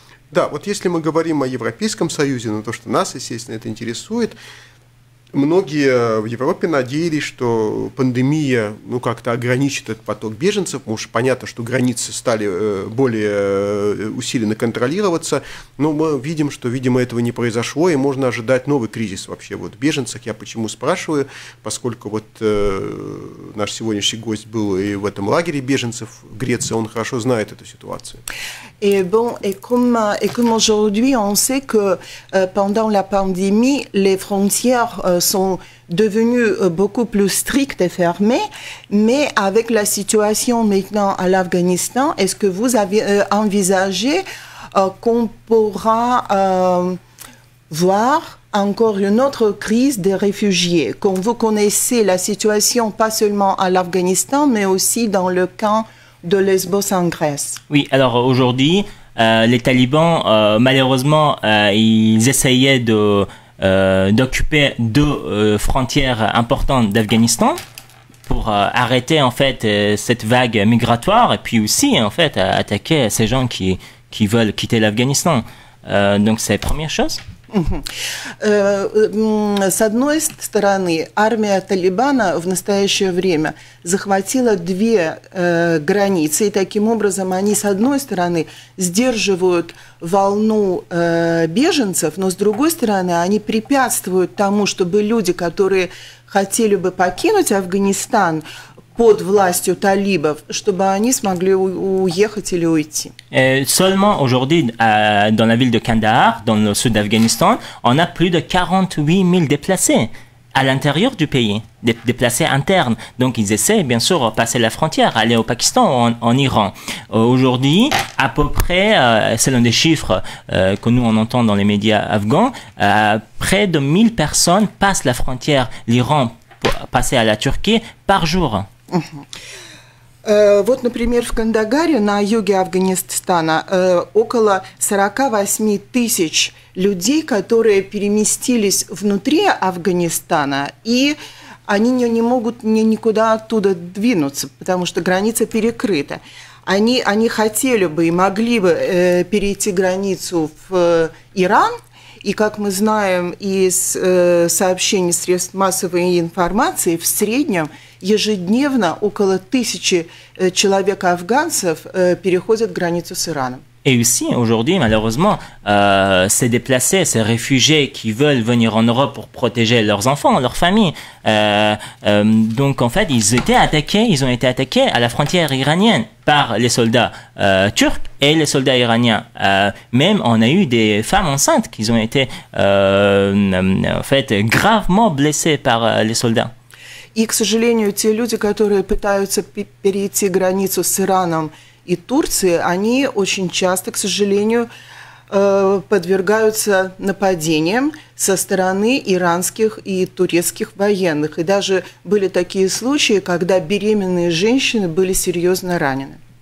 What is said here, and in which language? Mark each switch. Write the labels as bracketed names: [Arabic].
[Russian] Да, вот если мы говорим о Европейском Союзе, то, что нас, естественно, это интересует, многие в Европе надеялись, что пандемия как-то ограничит этот поток беженцев, потому что понятно, что границы стали более усиленно контролироваться, но мы видим, что, видимо, этого не произошло, и можно ожидать новый кризис вообще вот в беженцах. Я почему спрашиваю, поскольку вот наш сегодняшний гость был и в этом лагере беженцев в Греции, он хорошо знает эту ситуацию. [French] Et comme aujourd'hui, on sait que pendant la pandémie, les frontières sont devenues beaucoup plus strictes et fermées, mais avec la situation maintenant à l'Afghanistan, est-ce que vous avez envisagé qu'on pourra voir encore une autre crise des réfugiés? Comme vous connaissez la situation, pas seulement à l'Afghanistan, mais aussi dans le camp de Lesbos en Grèce. Oui, alors aujourd'hui, les talibans, malheureusement, ils essayaient de, d'occuper deux frontières importantes d'Afghanistan pour arrêter en fait cette vague migratoire et puis aussi en fait attaquer ces gens qui veulent quitter l'Afghanistan. Donc c'est la première chose. [Russian] С одной стороны, армия Талибана в настоящее время захватила две границы, и таким образом они, с одной стороны, сдерживают волну беженцев, но, с другой стороны, они препятствуют тому, чтобы люди, которые хотели бы покинуть Афганистан под властью талибов, чтобы они смогли уехать или уйти. [French] Seulement aujourd'hui, dans la ville de Kandahar, dans le sud d'Afghanistan, on a plus de 48 000 déplacés à l'intérieur du pays, déplacés internes. Donc ils essaient, bien sûr, de passer la frontière, aller au Pakistan ou en Iran. Aujourd'hui, à peu près, selon des chiffres que nous on entend dans les médias afghans, près de 1000 personnes passent la frontière l'Iran pour passer à la Turquie par jour. [Russian] Вот, например, в Кандагаре на юге Афганистана около 48 тысяч людей, которые переместились внутри Афганистана, и они не могут никуда оттуда двинуться, потому что граница перекрыта. Они хотели бы и могли бы перейти границу в Иран, и, как мы знаем из сообщений средств массовой информации, в среднем ежедневно около 1000 человек афганцев переходят границу с Ираном. [French] Et aussi aujourd'hui, malheureusement, ces déplacés, ces réfugiés qui veulent venir en Europe pour protéger leurs enfants, leurs familles, donc en fait, ils ont été attaqués à la frontière iranienne par les soldats turcs et les soldats iraniens. Même on a eu des femmes enceintes qui ont été en fait gravement blessées par les soldats. [Russian] И, к сожалению, те люди, которые пытаются перейти границу с Ираном и Турцией, они очень часто, к сожалению, подвергаются нападениям со стороны иранских и турецких военных. И даже были такие случаи, когда беременные женщины были серьезно ранены.